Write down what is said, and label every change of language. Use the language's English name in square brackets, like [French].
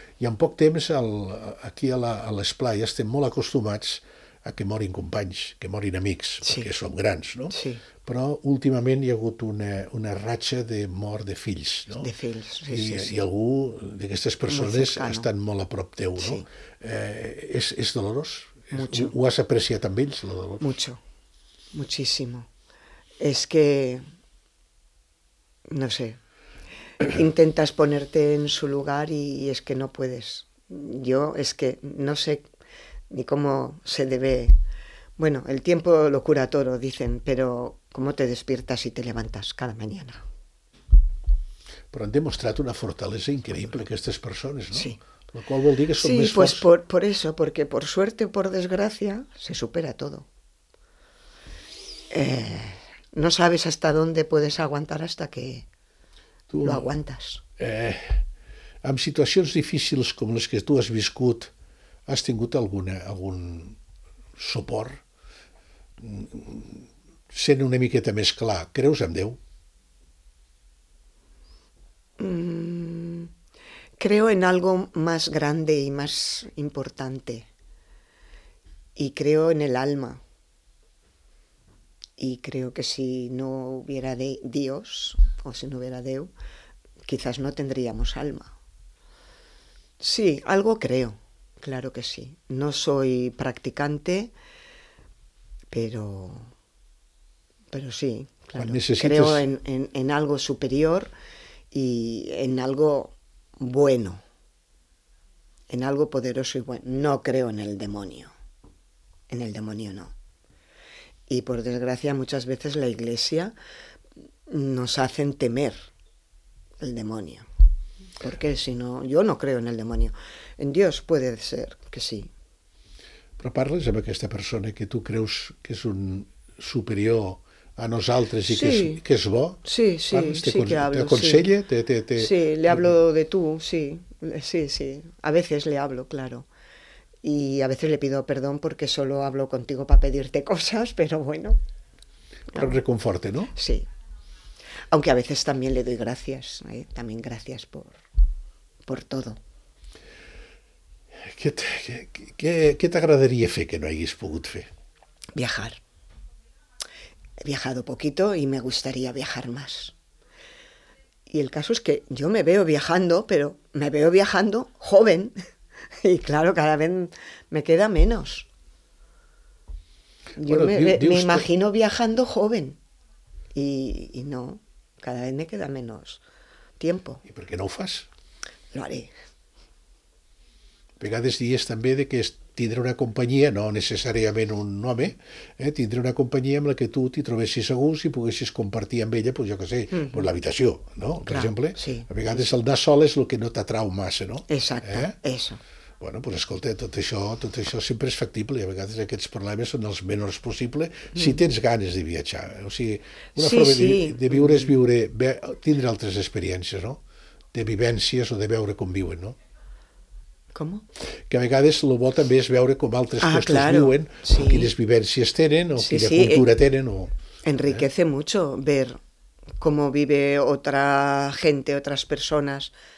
[Catalan] I en poc temps, a l'esplai, estem molt acostumats a que morin companys, que morin amics, perquè som grans, no? Sí. Però últimament hi ha hagut una ratxa de mort de fills, no? De fills, sí. I algú d'aquestes persones estan molt a prop teu, no? Sí. És dolorós? [Spanish] Mucho. [Catalan] Ho has apreciat amb ells, el dolor? [Spanish] Mucho. Muchísimo. Es que, no sé, intentas ponerte en su lugar y es que no puedes. Yo es que no sé ni cómo se debe. Bueno, el tiempo lo cura todo, dicen, pero ¿cómo te despiertas y te levantas cada mañana? [Catalan] Però han demostrat una fortalesa increïble aquestes persones, no? Sí. La qual vol dir que són sí, més forts. [Spanish] Sí, pues por eso, porque por suerte o por desgracia se supera todo. No sabes hasta dónde puedes aguantar hasta que tú lo aguantas. [Catalan] En situacions difícils com les que tu has viscut, has tingut algun suport? Sent una miqueta més clar, creus en Déu? [Spanish] Creo en algo más grande y más importante. Y creo en el alma. Y creo que si no hubiera Dios, o si no hubiera Déu, quizás no tendríamos alma. Sí, algo creo, claro que sí. No soy practicante, pero sí, claro. Quan necessites... Creo en algo superior y en algo bueno, en algo poderoso y bueno. No creo en el demonio no. Y por desgracia muchas veces la iglesia nos hacen temer el demonio. Porque si no, yo no creo en el demonio. En Dios puede ser que sí. [Catalan] Però parles amb aquesta persona que tu creus que és un superior a nosaltres i que és bo? [Spanish] Sí, sí, [Catalan] parles, [Spanish] sí que hablo. [Catalan] T'aconsella? [Spanish] Sí. Sí, le hablo de tú, sí. Sí, sí. A veces le hablo, claro. Y a veces le pido perdón porque solo hablo contigo para pedirte cosas, pero bueno. Pero reconforte, ¿no? Sí. Aunque a veces también le doy gracias, ¿eh? También gracias por todo. ¿Qué te agradaría [Catalan] fer [Spanish] que no hayas [Catalan] pogut fer? [Spanish] Viajar. He viajado poquito y me gustaría viajar más. Y el caso es que yo me veo viajando, pero me veo viajando joven. Y claro, cada vez me queda menos. Yo me imagino viajando joven. Y no, cada vez me queda menos tiempo. ¿Y por qué no lo [Catalan] fas? [Spanish] Lo haré. [Catalan] A vegades dies també de que tindré una companyia, no necessàriament un home, tindré una companyia amb la que tu t'hi trobessis a gust i poguessis compartir amb ella, pues, jo què sé, pues, l'habitació, no? Clar, per exemple. Sí, a vegades el anar sol és el que no t'atrau massa, no? [Spanish] Exacte, eso. [Catalan] Bueno, pues escolta, tot això sempre és factible i a vegades aquests problemes són els menors possibles si tens ganes de viatjar. O sigui, una forma de viure és tindre altres experiències, no? De vivències o de veure com viuen, no? [Spanish] ¿Cómo? [Catalan] Que a vegades el bo també és veure com altres coses viuen, o quines vivències tenen, o quina cultura tenen. [Spanish] Enriquece mucho ver cómo vive otra gente, otras personas.